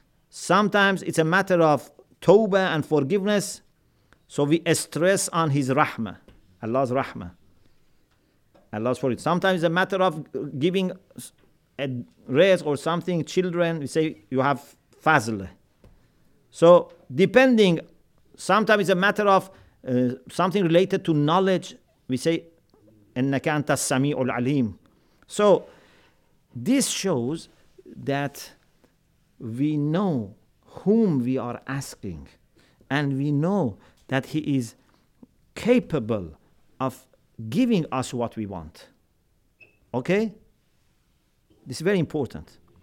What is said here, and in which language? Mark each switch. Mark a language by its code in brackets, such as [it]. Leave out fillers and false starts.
[en] Sometimes it's a matter of tawbah and forgiveness, so we stress on His rahmah, Allah's rahmah. Allah's for it. Sometimes it's a matter of giving a raise or something, children, we say you have fazl. So depending Sometimes it's a matter of something related to knowledge. We say, [ar] إنك أنت السميع العليم. [en] So this shows that we know whom we are asking, and we know that he is capable of giving us what we want. Okay? This is very important.